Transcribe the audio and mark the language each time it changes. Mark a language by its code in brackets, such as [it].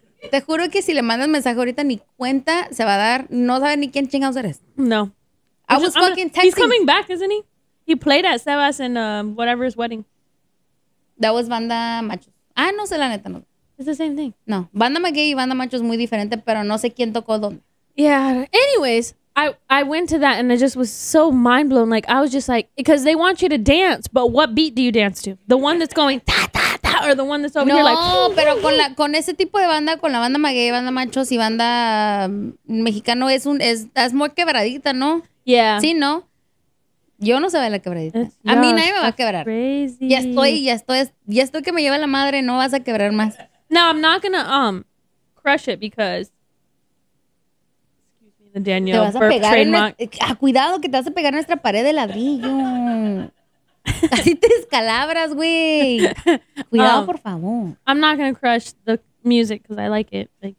[es] Te juro que si le mandas mensaje ahorita, ni cuenta se va a dar. No sabe ni quién chingados eres. No. [en] I was fucking texting. He's coming back, isn't he? He played at Sebas in whatever's wedding. That was Banda Machos. [es] Ah, no sé la neta. No. [en] It's the same thing. [es] No. Banda Maguey y Banda Machos es muy diferente, pero no sé quién tocó dónde. [en] Yeah. Anyways, I went to that and it just was so mind blown. Like, I was just like, because they want you to dance, but what beat do you dance to? The one that's going ta ta ta, or the one that's over here like. [es] No, pero con ese tipo de banda, con la banda Maguey, banda Machos y banda mexicano es muy quebradita, ¿no? [en] Yeah. [es] Sí, ¿no? Yo no sé bailar quebradita. A mí nadie me va a quebrar. [en] Crazy. [es] Ya estoy que me lleva la madre. No vas a quebrar más. [en] No, I'm not gonna crush it because. Daniel, [es] te vas a pegar cuidado que te vas a pegar nuestra pared de ladrillo. Así te escalabras, güey. Cuidado, por favor. [en] I'm not gonna crush the music because I like it.